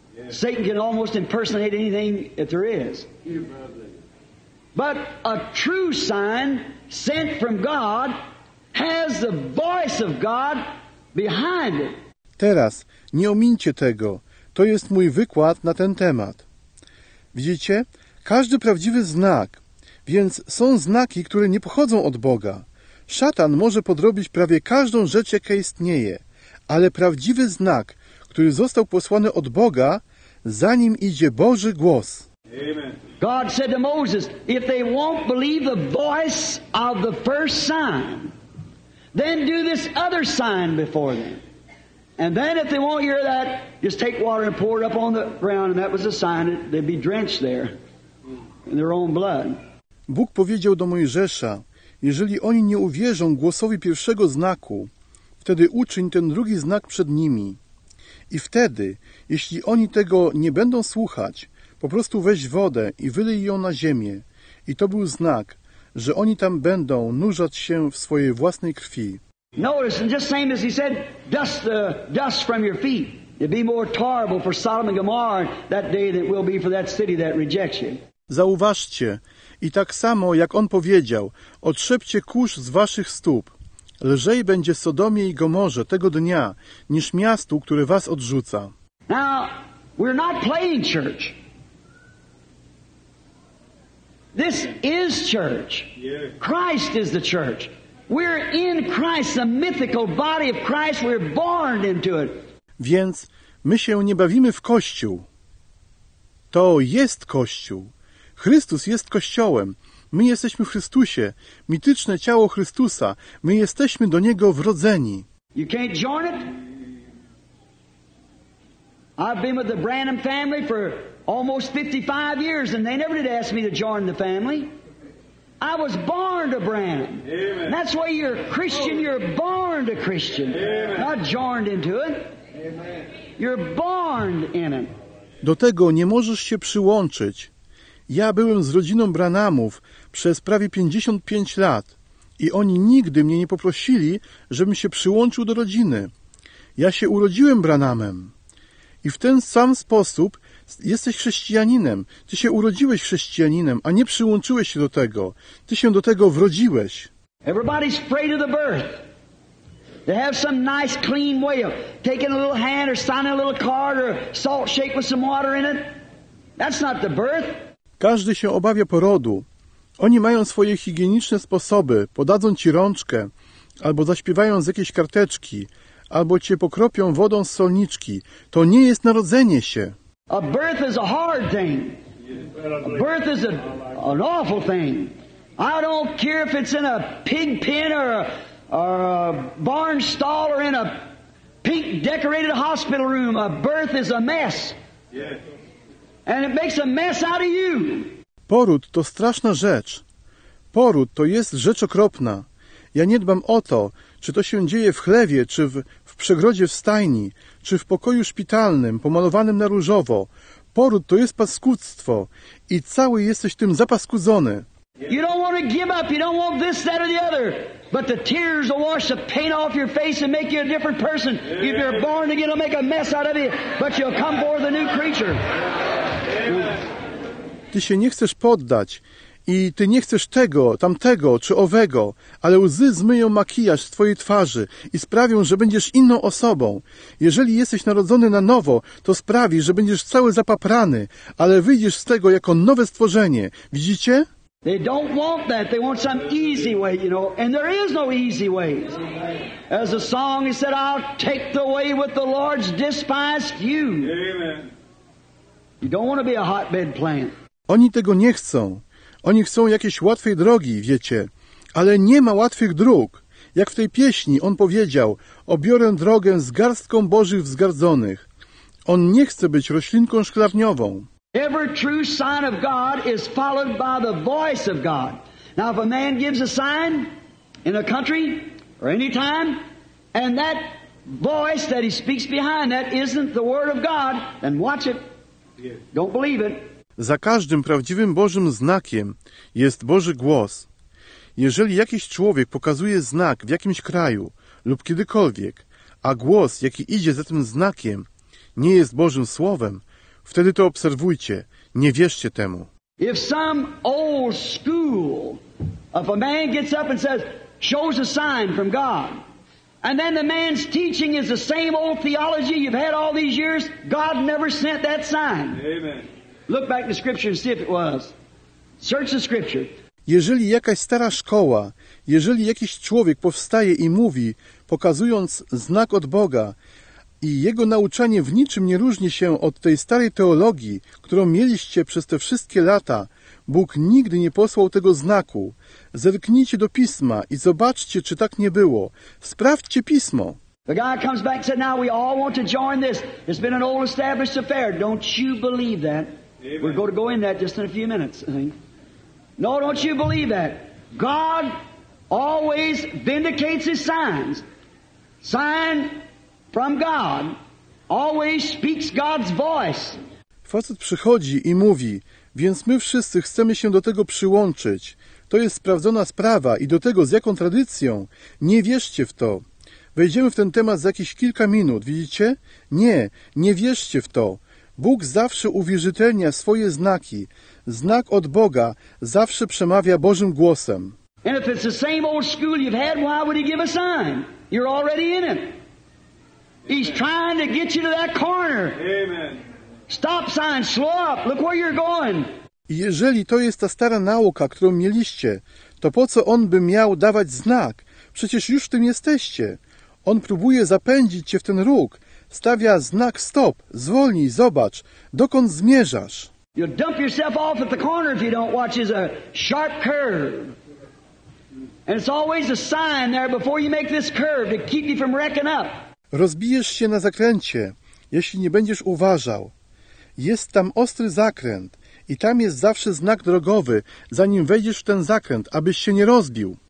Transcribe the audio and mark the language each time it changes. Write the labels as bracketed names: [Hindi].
[English] Satan can almost impersonate anything if there is. But a true sign sent from God has the voice of God behind it. [Polish] Teraz, nie omińcie tego. To jest mój wykład na ten temat. Widzicie? Każdy prawdziwy znak. Więc są znaki, które nie pochodzą od Boga. Szatan może podrobić prawie każdą rzecz, jaka istnieje. Ale prawdziwy znak, który został posłany od Boga, za nim idzie Boży głos. [English] God said to Moses, if they won't believe the voice of the first sign, then do this other sign before them. And then if they won't hear that, just take water and pour it up on the ground, and that was a sign that they'd be drenched there in their own blood. [Polish] Bóg powiedział do Mojżesza, jeżeli oni nie uwierzą głosowi pierwszego znaku, wtedy uczyń ten drugi znak przed nimi. I wtedy, jeśli oni tego nie będą słuchać, po prostu weź wodę i wylej ją na ziemię. I to był znak, że oni tam będą nurzać się w swojej własnej krwi. [English] Notice, and just same as he said, dust from your feet. It'd be more tolerable for Sodom and Gomorrah that day than it will be for that city that rejects you. [Polish] Zauważcie, i tak samo jak on powiedział, otrzepcie kurz z waszych stóp. Lżej będzie Sodomie i Gomorze tego dnia, niż miastu, które was odrzuca. [English] Now, we're not playing church. This is church. Christ is the church. We're in Christ, the mythical body of Christ. We're born into it. [Polish] Więc my się nie bawimy w Kościół. To jest Kościół. Chrystus jest Kościołem. My jesteśmy w Chrystusie, mityczne ciało Chrystusa. My jesteśmy do Niego wrodzeni. [English] You can't join it? I've been with the Branham family for almost 55 years and they never did ask me to join the family. I was born to Branham. Amen. That's why you're a Christian, you're born to Christian. Amen. Not joined into it. Amen. You're born in it. [Polish] Do tego nie możesz się przyłączyć. Ja byłem z rodziną Branhamów przez prawie 55 lat i oni nigdy mnie nie poprosili, żebym się przyłączył do rodziny. Ja się urodziłem Branhamem. I w ten sam sposób jesteś chrześcijaninem. Ty się urodziłeś chrześcijaninem, a nie przyłączyłeś się do tego. Ty się do tego wrodziłeś. [English] Everybody's afraid of the birth. They have some nice, clean way of taking a little hand or signing a little card or salt shake with some water in it. That's not the birth. [Polish] Każdy się obawia porodu. Oni mają swoje higieniczne sposoby, podadzą ci rączkę, albo zaśpiewają z jakiejś karteczki, albo cię pokropią wodą z solniczki. To nie jest narodzenie się. [English] A birth is a hard thing. A birth is an awful thing. I don't care if it's in a pig pen or a barn stall or in a pink decorated hospital room. A birth is a mess. And it makes a mess out of you. [Polish] Poród to straszna rzecz. Poród to jest rzecz okropna. Ja nie dbam o to, czy to się dzieje w chlewie, czy w przegrodzie w stajni, czy w pokoju szpitalnym, pomalowanym na różowo. Poród to jest paskudztwo i cały jesteś tym zapaskudzony. [English] You don't want to give up, you don't want this, that or the other. But the tears will wash the paint off your face and make you a different person. If you're born again, it'll make a mess out of you, but you'll come forth a new creature. [Polish] Ty się nie chcesz poddać i ty nie chcesz tego, tamtego czy owego, ale łzy zmyją makijaż z twojej twarzy i sprawią, że będziesz inną osobą. Jeżeli jesteś narodzony na nowo, to sprawi, że będziesz cały zapaprany, ale wyjdziesz z tego jako nowe stworzenie. Widzicie? [English] They don't want that. They want some easy way, you know. And there is no easy way. As the song he said, I'll take the way with the Lord's despised few. Amen. You don't want to be a hotbed plant. [Polish] Oni tego nie chcą. Oni chcą jakiejś łatwej drogi, wiecie. Ale nie ma łatwych dróg. Jak w tej pieśni on powiedział, obiorę drogę z garstką Bożych wzgardzonych. On nie chce być roślinką szklarniową. [English] Every true sign of God is followed by the voice of God. Now if a man gives a sign in a country or any time, and that voice that he speaks behind that isn't the word of God, then watch it. Don't believe it. [Polish] Za każdym prawdziwym Bożym znakiem jest Boży głos. Jeżeli jakiś człowiek pokazuje znak w jakimś kraju lub kiedykolwiek, a głos, jaki idzie za tym znakiem, nie jest Bożym Słowem, wtedy to obserwujcie, nie wierzcie temu. [English] If some old school, if a man gets up and says, shows a sign from God, and then the man's teaching is the same old theology you've had all these years, God never sent that sign. Amen. Look back to Scripture and see if it was. Search the Scripture. [Polish] Jeżeli jakaś stara szkoła, jeżeli jakiś człowiek powstaje i mówi, pokazując znak od Boga, i jego nauczanie w niczym nie różni się od tej starej teologii, którą mieliście przez te wszystkie lata, Bóg nigdy nie posłał tego znaku. Zerknijcie do Pisma i zobaczcie, czy tak nie było. Sprawdźcie Pismo. [English] The guy comes back and said, now we all want to join this. It's been an old established affair. Don't you believe that? Amen. We're going to go in that just in a few minutes. No, don't you believe that? God always vindicates his signs. Sign from God always speaks God's voice. [Polish] Facet przychodzi i mówi, więc my wszyscy chcemy się do tego przyłączyć. To jest sprawdzona sprawa i do tego z jaką tradycją? Nie wierzcie w to. Wejdziemy w ten temat za jakieś kilka minut, widzicie? Nie, nie wierzcie w to. Bóg zawsze uwierzytelnia swoje znaki. Znak od Boga zawsze przemawia Bożym głosem. [English] And if it's the same old school you've had, why would he give a sign? You're already in it. He's trying to get you to that corner. Amen. Stop sign, slow up, look where you're going. [Polish] Jeżeli to jest ta stara nauka, którą mieliście, to po co on by miał dawać znak? Przecież już w tym jesteście. On próbuje zapędzić cię w ten róg. Stawia znak stop, zwolnij, zobacz, dokąd zmierzasz. [English] You'll dump yourself off at the corner if you don't watch. It's a sharp curve. And it's always a sign there before you make this curve to keep you from wrecking up. [Polish] Rozbijesz się na zakręcie, jeśli nie będziesz uważał. Jest tam ostry zakręt i tam jest zawsze znak drogowy, zanim wejdziesz w ten zakręt, abyś się nie rozbił.